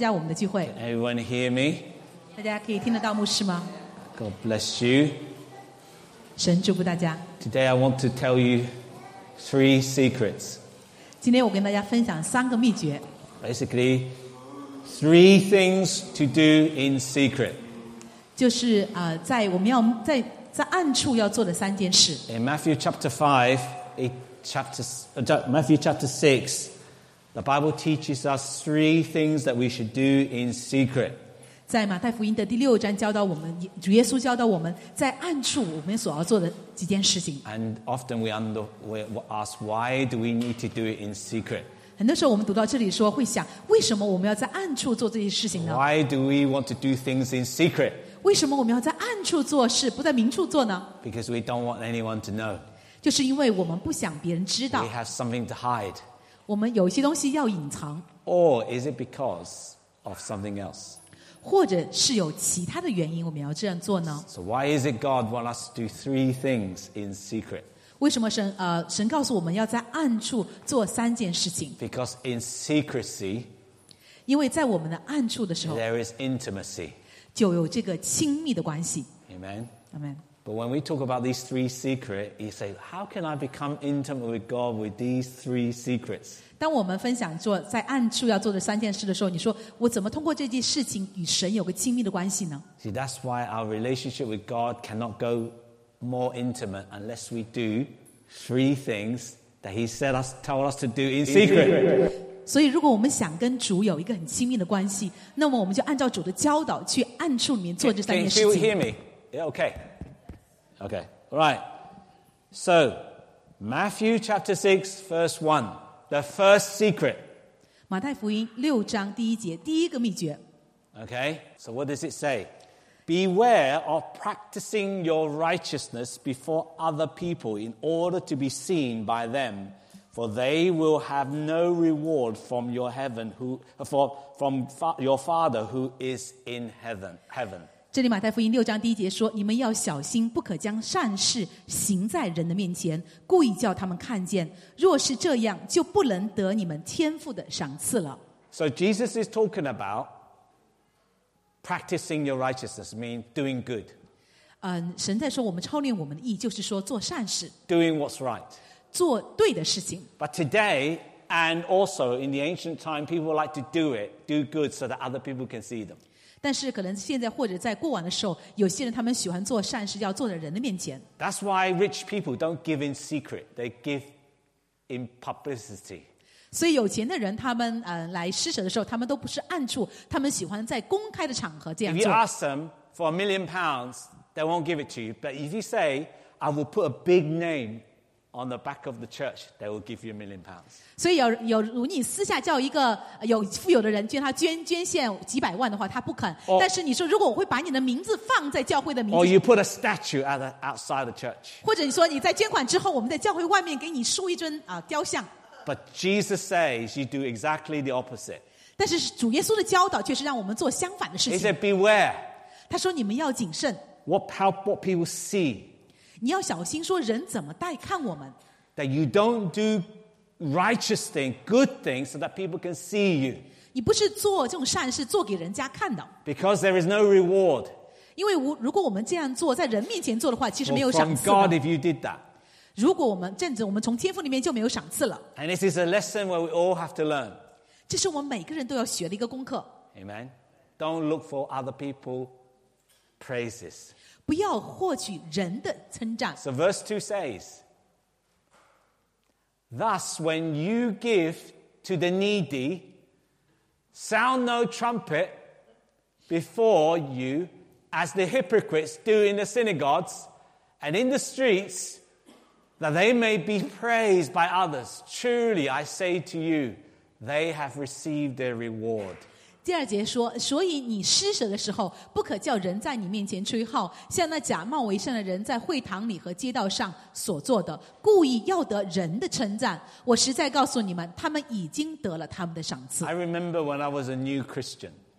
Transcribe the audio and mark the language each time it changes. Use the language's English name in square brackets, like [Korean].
[English] everyone hear me? God bless you. Today I want to tell you three secrets. Basically, three things to do in secret. [Chinese] 就是在我们要在暗处要做的三件事。 [English] In Matthew chapter 6, the Bible teaches us three things that we should do in secret. [Chinese] 在马太福音的第六章教导我们，主耶稣教导我们在暗处我们所要做的几件事情。 [English] And often we ask, why do we need to do it in secret? [Chinese] 很多时候我们读到这里说会想为什么我们要在暗处做这些事情呢 [English] Why do we want to do things in secret? [Chinese] 为什么我们要在暗处做事不在明处做呢 [English] Because we don't want anyone to know. [Chinese] 就是因为我们不想别人知道。 [English] We have something to hide. [Chinese] 我们有一些东西要隐藏。 [English] Or is it because of something else? [Chinese] 或者是有其他的原因我们要这样做呢 [English] So why is it God want us to do three things in secret? [Chinese] 为什么神告诉我们要在暗处做三件事情 [English] Because in secrecy, [Chinese] 因为在我们的暗处的时候 [English] there is intimacy. [Chinese] 就有这个亲密的关系 [English] Amen. Amen. But when we talk about these three secrets, you say, how can I become intimate with God with these three secrets? [Chinese] 当我们分享做在暗处要做的三件事的时候，你说我怎么通过这件事情与神有个亲密的关系呢 [English] See, that's why our relationship with God cannot goMore intimate unless we do three things that He said us, told us to do in secret. [Chinese] 所以，如果我们想跟主有一个很亲密的关系，那么我们就按照主的教导去暗处里面做这三件事情。 [English] Can you hear me? Yeah, okay. Okay. All right. So, Matthew chapter 6, verse 1, the first secret. [Chinese] 马太福音六章第一节第一个秘诀。 [English] Okay. So, what does it say? Beware of practicing your righteousness before other people in order to be seen by them, for they will have no reward from your heaven, from your Father who is in heaven. [Chinese] 这里马太福音六章第一节说，你们要小心，不可将善事行在人的面前，故意叫他们看见。若是这样，就不能得你们天父的赏赐了。 [English] So Jesus is talking about. Practicing your righteousness means doing good. [Chinese] 神在说我们操练我们的义就是说做善事。 [English] Doing what's right. [Chinese] 做对的事情。 [English] But today, and also in the ancient time, people like to do good so that other people can see them. [Chinese] 但是可能现在或者在过往的时候有些人他们喜欢做善事要做在人的面前。 [English] That's why rich people don't give in secret. They give in publicity. [Chinese] 所以有钱的人他们来施舍的时候他们都不是暗处他们喜欢在公开的场合这样做 [English] If you ask them for £1 million, they won't give it to you. But if you say, I will put a big name on the back of the church, they will give you £1 million. [Chinese] 所以有如你私下叫一个有富有的人捐他捐献几百万的话他不肯。 [English] Or, [Chinese] 但是你说如果我会把你的名字放在教会的名字。 [English] Or you put a statue outside the church. [Chinese] 或者你说你在捐款之后我们在教会外面给你竖一尊雕像。 [English] But Jesus says you do exactly the opposite. [Chinese] 但是主耶稣的教导却是让我们做相反的事情。 [English] He said, "Beware." [Chinese] 他说你们要谨慎。 [English] What people see? [Chinese] 你要小心说人怎么待看我们。 [English] That you don't do righteous things, good things, so that people can see you. [Chinese] 你不是做这种善事做给人家看的。 [English] Because there is no reward. [Chinese] 因为如果我们这样做在人面前做的话，其实没有赏赐。 [English] From God, if you did that. [Chinese] 如果我们这样子我们从天父里面就没有赏赐了 [English] And this is a lesson where we all have to learn [Chinese] 这是我们每个人都要学的一个功课 [English] Amen Don't look for other people's praises [Chinese] 不要获取人的称赞 [English] So verse 2 says Thus when you give to the needy Sound no trumpet before you As the hypocrites do in the synagogues And in the streetsThat they may be praised by others. Truly, I say to you, they have received their reward. [Chinese] 第二节说，所以你施舍的时候，不可叫人在你面前吹号，像那假冒为善的人在会堂里和街道上所做的，故意要得人的称赞。我实在告诉你们，他们已经得了他们的赏赐。 [English] I remember when I was a new Christian.